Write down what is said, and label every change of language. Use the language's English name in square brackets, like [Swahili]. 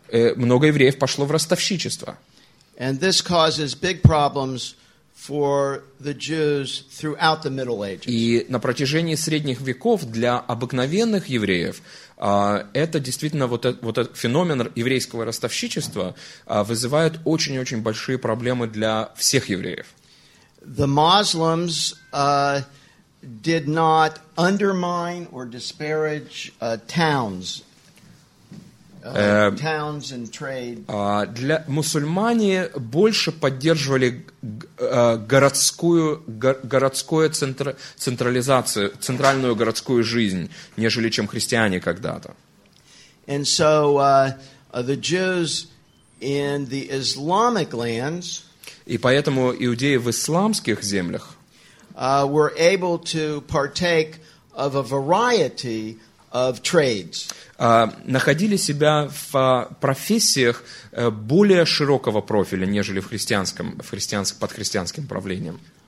[Russian] Много евреев пошло в ростовщичество. [English] And this causes big problems for the Jews throughout the Middle Ages. [Russian] И на протяжении средних веков для обыкновенных евреев это действительно вот этот феномен еврейского ростовщичества вызывает очень-очень большие проблемы для всех евреев. [English] The Muslims did not undermine or disparage towns. Towns and trade. [Russian] Для мусульмане больше поддерживали центральную городскую жизнь, нежели чем христиане когда-то. [English] And so the Jews in the Islamic lands. [Russian] И поэтому иудеи в исламских землях [English] were able to partake of a variety of trades. [Russian] Находили себя в профессиях более широкого профиля, нежели под христианским правлением.